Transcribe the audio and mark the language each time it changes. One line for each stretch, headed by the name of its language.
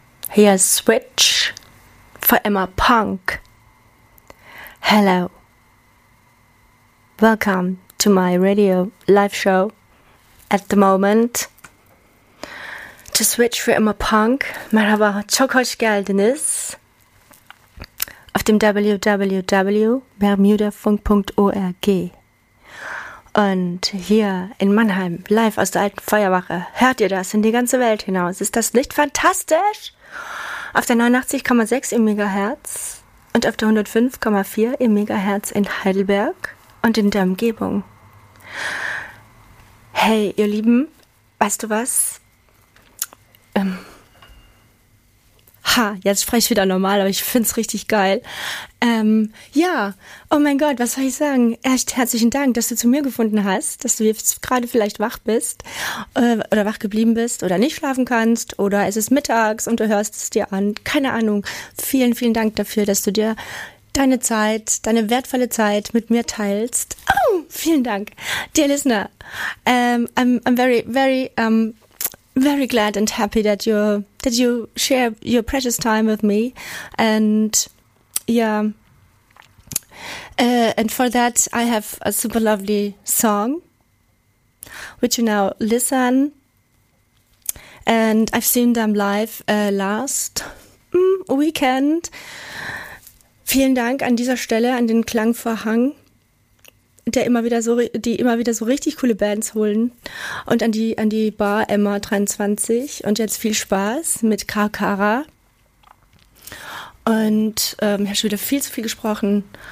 German: Hier ist Switch for Emma Punk.
English: Hello. Welcome to my radio live show at the moment. To Switch for Emma Punk.
Turkish: Merhaba, çok hoş geldiniz.
German: Auf dem www.bermudafunk.org. Und hier in Mannheim, live aus der alten Feuerwache, hört ihr das in die ganze Welt hinaus. Ist das nicht fantastisch? Auf der 89,6 im Megahertz und auf der 105,4 im Megahertz in Heidelberg und in der Umgebung. Hey, ihr Lieben, weißt du was? Jetzt spreche ich wieder normal, aber ich finde es richtig geil. Oh mein Gott, was soll ich sagen? Echt herzlichen Dank, dass du zu mir gefunden hast, dass du jetzt gerade vielleicht wach bist oder wach geblieben bist oder nicht schlafen kannst oder es ist mittags und du hörst es dir an. Keine Ahnung. Vielen, vielen Dank dafür, dass du dir deine Zeit, deine wertvolle Zeit mit mir teilst. Oh, vielen Dank,
English: dear listener. I'm very, very, very glad and happy that you share your precious time with me. And yeah, and for that I have a super lovely song which you now listen. And I've seen them live last weekend.
German: Vielen Dank an dieser Stelle an den Klangvorhang, die immer wieder so richtig coole Bands holen, und an die Bar Emma 23. Und jetzt viel Spaß mit Kara. Und ich habe schon wieder viel zu viel gesprochen.